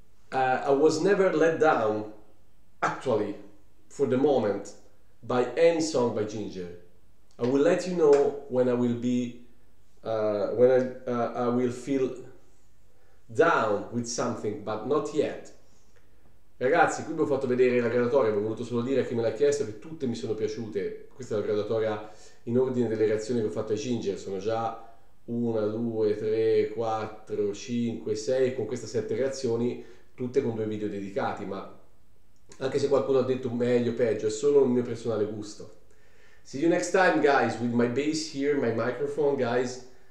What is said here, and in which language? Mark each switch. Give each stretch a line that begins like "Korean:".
English: I was never let down, actually, for the moment, by any song by Ginger. I will let you know when I will be when I will feel down with something, but not yet.
Italian: Ragazzi, qui vi ho fatto vedere la graduatoria, vi ho voluto solo dire a chi me l'ha chiesto che tutte mi sono piaciute. Questa è la graduatoria in ordine delle reazioni che ho fatto ai Ginger. Sono già 1, 2, 3, 4, 5, 6 con queste 7 reazioni, tutte con 2 video dedicati, ma anche se qualcuno ha detto meglio o peggio, è solo un mio personale gusto.
English: See you next time, guys, with my bass here, my microphone, guys.